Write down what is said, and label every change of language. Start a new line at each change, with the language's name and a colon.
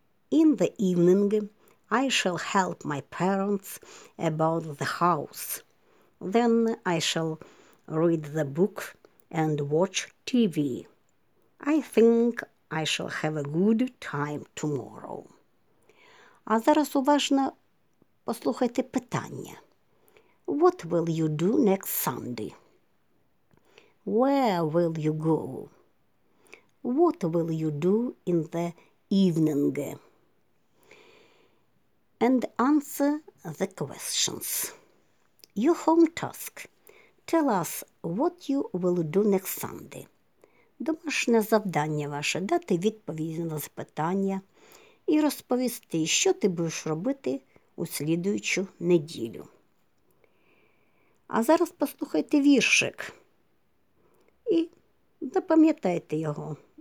English: In the evening, I shall help my parents about the house. Then I shall read the book and watch TV. I think I shall have a good time tomorrow.
Ukrainian: А зараз уважно послухайте питання.
English: What will you do next Sunday? Where will you go? What will you do in the evening? And answer the questions. Your home task. Tell us what you will do next Sunday.
Ukrainian: Домашнє завдання ваше – дати відповіді на запитання – і розповісти, що ти будеш робити у слідуючу неділю. А зараз послухайте віршик і запам'ятайте його.